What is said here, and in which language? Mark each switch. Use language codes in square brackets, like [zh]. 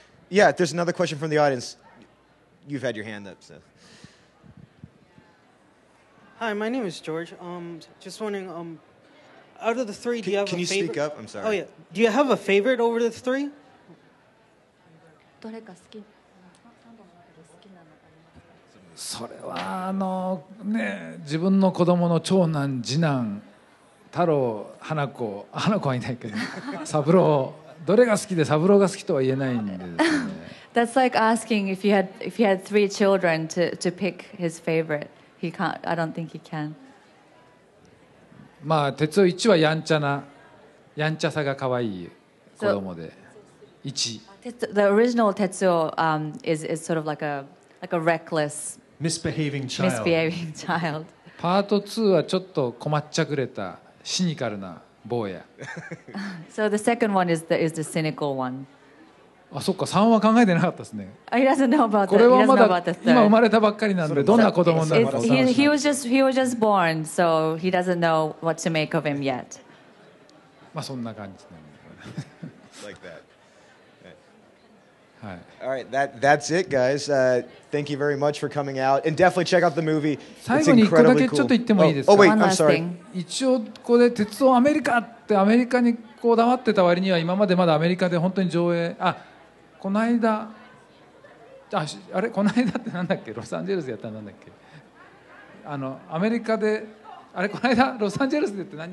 [en] Yeah, there's another question from the audience. You've had your hand up, so. Hi, my name is George. Just wondering, out of the three, do you have a favorite? Can you speak up? I'm sorry. Oh, yeah. Do you have a favorite over the three? [ja] それはあのね自分の子供の長男次男太郎花子花子はいないけど三郎どれが好きで三郎が好きとは言えないんで、ね、 [en] That's like asking if he had three children to pick his favorite. He can't. I don't think he can. [ja] まあ鉄夫一はやんちゃなやんちゃさが可愛い子供で一、 [en] so, The original Tetsuo is sort of like a reckless Misbehaving child. [ja] Part 2はちょっと困っちゃくれたシニカルな坊や。 [en] So the second one is the cynical one. [ja] あ、そっか、3は考えてなかったですね。 [en] He doesn't know about [ja] これはまだ今生まれたばっかりなんで、どんな子供になるか分からない。 [en] He was just born, so he doesn't know what to make of him yet. [ja] まあそんな感じなんで。 [en] Like that. Hi. All right, that's it, guys. Thank you very much for coming out. And definitely check out the movie. It's incredibly cool. [ja] 最後に一個だけちょっと言ってもいいですか? [en] Oh, wait, I'm sorry. [ja] 一応これ鉄道アメリカってアメリカにこだわってた割には今までまだアメリカで本当に上映あ、この間あれこの間ってなんだっけロサンゼルスやったなんだっけあのアメリカであれこの間ロサンゼルスでって何